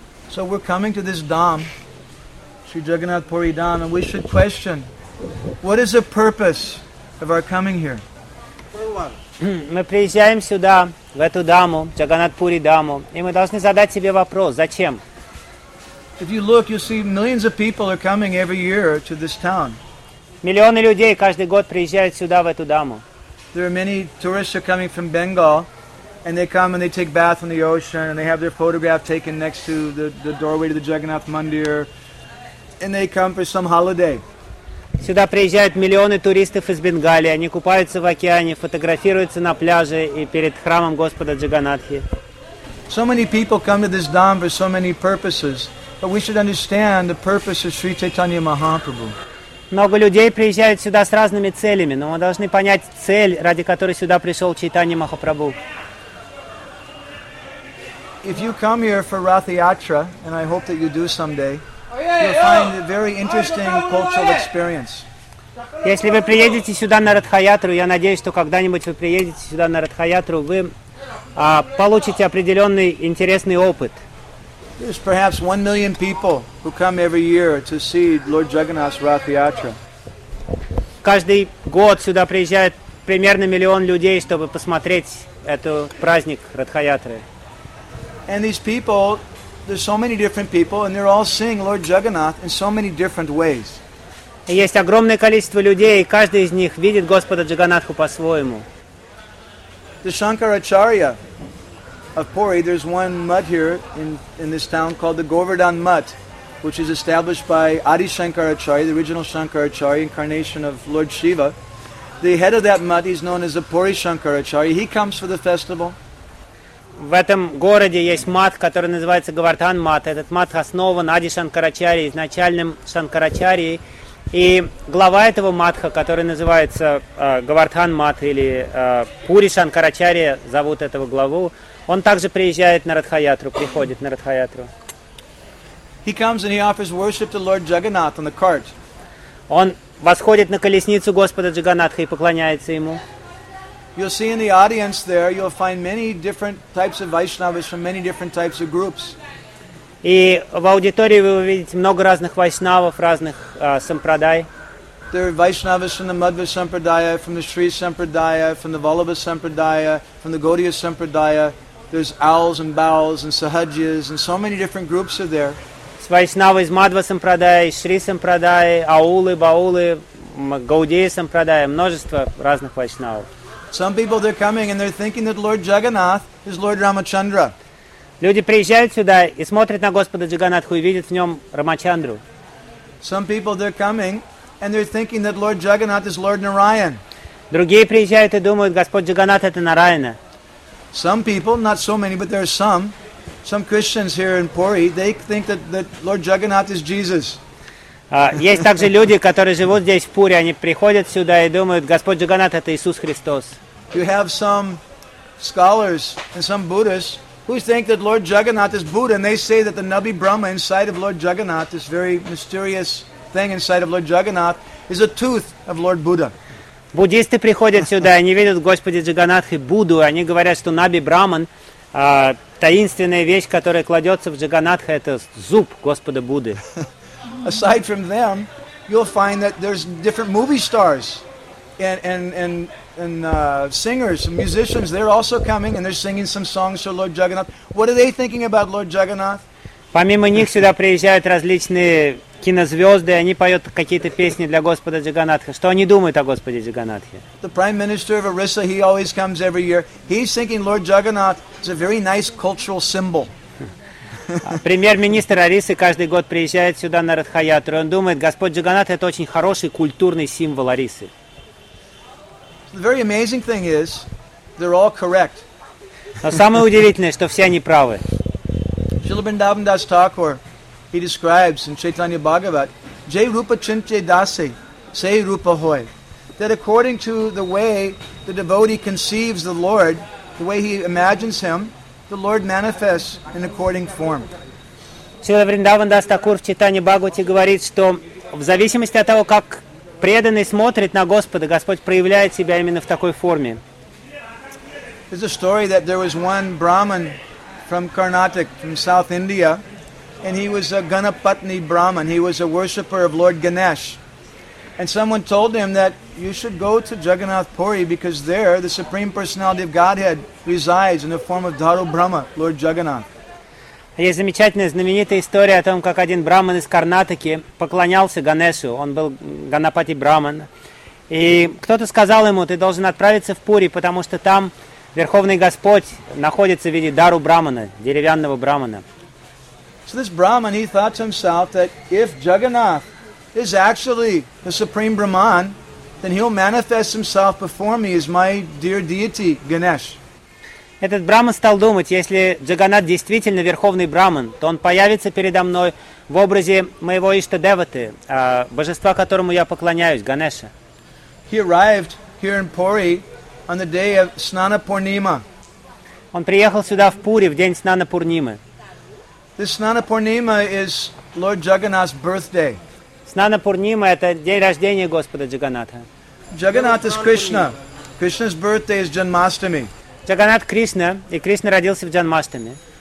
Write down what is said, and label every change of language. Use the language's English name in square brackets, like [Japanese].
[English] So we're coming to this Dham, Sri Jagannath Puri Dham, and we should question, what is the purpose of our coming here? [Russian] Мы приезжаем сюда, в эту даму, Джаганатпури даму, и мы должны задать себе вопрос, зачем? [English] If you look, you see millions of people are coming every year to this town. [Russian] Миллионы людей каждый год приезжают сюда, в эту даму. [English] There are many tourists who are coming from Bengal, and they come and they take bath in the ocean, and they have their photograph taken next to the doorway to the Jagannath Mandir, and they come for some holiday. [Russian] Сюда приезжают миллионы туристов из Бенгалии. Они купаются в океане, фотографируются на пляже и перед храмом Господа Джаганатхи. [English] So many people come to this dham for so many purposes, but we should understand the purpose of Sri Chaitanya Mahaprabhu. [Russian] Много людей приезжают сюда с разными целями, но мы должны понять цель, ради которой сюда пришел Чайтанья Махапрабху. [English] If you come here for Ratha Yatra, and I hope that you do someday, you'll find a very interesting cultural experience. [Russian] Если вы приедете сюда на Радхаятру, я надеюсь, что когда-нибудь вы приедете сюда на Радхаятру, вы получите определенный интересный опыт. [English] There's perhaps 1 million people who come every year to see Lord Jagannath's Rath Yatra. [Russian] Каждый год сюда приезжает примерно миллион людей, чтобы посмотреть этот праздник Радхаятры. [English] And these people, there's so many different people, and they're all seeing Lord Jagannath in so many different ways. [Russian] Есть огромное количество людей, и каждый из них видит Господа Джаганнатху по-своему. [English] The Shankaracharya of Puri, there's one mutt here in this town called the Govardhan Mutt, which is established by Adi Shankaracharya, the original Shankaracharya, incarnation of Lord Shiva. The head of that mutt is known as the Puri Shankaracharya. He comes for the festival. [Russian] В этом городе есть мат, который называется Говардхан мат. Этот мат основан Ади Шанкарачари, изначальным Шанкарачари. И глава этого матха, который называется Говардхан мат или Пури Шанкарачари, зовут этого главу, он также приезжает на Радхаятру, приходит на Радхаятру. [English] He comes and he offers worship to Lord Jagannath on the cart. [Russian] Он восходит на колесницу Господа Джаганнатха и поклоняется ему. [English] You'll see in the audience there, you'll find many different types of Vaishnavas from many different types of groups. [Russian] И в аудитории вы увидите много разных вайшнавов, разных сампрадай. [English] There are Vaishnavas from the Madhva Sampradaya, from the Sri Sampradaya, from the Vallabha Sampradaya, from the Gaudiya Sampradaya. There's owls and bowls and sahajyas, and so many different groups are there. [Russian] С вайшнавы из Мадва Сампрадая, из Шри Сампрадая, аулы, баулы, Гаудия Сампрадая, множество разных вайшнавов. [English] Some people they're coming and they're thinking that Lord Jagannath is Lord Ramachandra. [Russian] Люди приезжают сюда и смотрят на Господа Джаганнатху и видят в нем Рамачандру. [English] Some people they're coming and they're thinking that Lord Jagannath is Lord Narayan. [Russian] Другие приезжают и думают, Господь Джаганнат это Нараяна. [English] Some people, not so many, but there are some Christians here in Puri, they think that Lord Jagannath is Jesus. [Russian] Есть также люди, которые живут здесь в Пури, они приходят сюда и думают, Господь Джаганнат это Иисус Христос. [English] You have some scholars and some Buddhists who think that Lord Jagannath is Buddha, and they say that the Nabi Brahma inside of Lord Jagannath, this very mysterious thing inside of Lord Jagannath, is a tooth of Lord Buddha. [Russian] Буддисты приходят сюда, они видят Господи Джаганнатхи Будду, они говорят, что Наби Браман, таинственная вещь, которая кладется в Джаганнатхи, это зуб Господа Будды. [English] Aside from them, you'll find that there's different movie stars and singers, musicians. They're also coming and they're singing some songs for Lord Jagannath. What are they thinking about Lord Jagannath? [Russian] Помимо них сюда приезжают различные кинозвезды, они поют какие-то песни для Господа Джаганнатха. Что они думают о Господе Джаганнатхе? [English] The Prime Minister of Orissa, he always comes every year. He's thinking Lord Jagannath is a very nice cultural symbol. [Russian] Премьер-министр Орисы каждый год приезжает сюда на Радхаятру. Он думает, Господь Джаганнат это очень хороший культурный символ Орисы. [English] The very amazing thing is, they're all correct. [Russian] Но самое удивительное, что все они правы. [English] Шрила Бриндаван Дас Такур, he describes in Chaitanya Bhagavat, [Bangla] Jai Rupa Chinche Dasi, Sei Rupa Hoy, [English] that according to the way the devotee conceives the Lord, the way he imagines him, the Lord manifests in according form. [Russian] Шрила Бриндаван Дас Такур в Чайтанье Бхагавате говорит, что в зависимости от того, как преданный смотрит на Господа, Господь проявляет себя именно в такой форме. [English] There's a story that there was one Brahmin from Karnataka, from South India, and he was a Ganapatni Brahmin. He was a worshipper of Lord Ganesh. And someone told him that you should go to Jagannath Puri because there the Supreme Personality of Godhead resides in the form of Dharu Brahma, Lord Jagannath. [Russian] Есть замечательная, знаменитая история о том, как один брахман из Карнатаки поклонялся Ганешу. Он был Ганапати Брахман. И кто-то сказал ему, ты должен отправиться в Пури, потому что там Верховный Господь находится в виде Дару Брахмана, деревянного брахмана. [English] So this brahman, he thought to himself that if Jagannath is actually the Supreme Brahman, then he'll manifest himself before me as my dear deity, Ganesh. [Russian] Этот брахман стал думать, если Джаганнат действительно верховный брахман, то он появится передо мной в образе моего ишта-деваты, божества, которому я поклоняюсь, Ганеша. [English] He arrived here in Puri on the day of Snana Purnima. [Russian] Он приехал сюда в Пури в день Снана Пурнимы. [English] This Snana Purnima is Lord Jagannath's birthday. [Russian] Снана Пурнима это день рождения Господа Джаганнатха. [English] Jagannath is Krishna. Krishna's birthday is Janmashtami. [Russian] Джаганнат Кришна, и Кришна родился в Джанмаштами.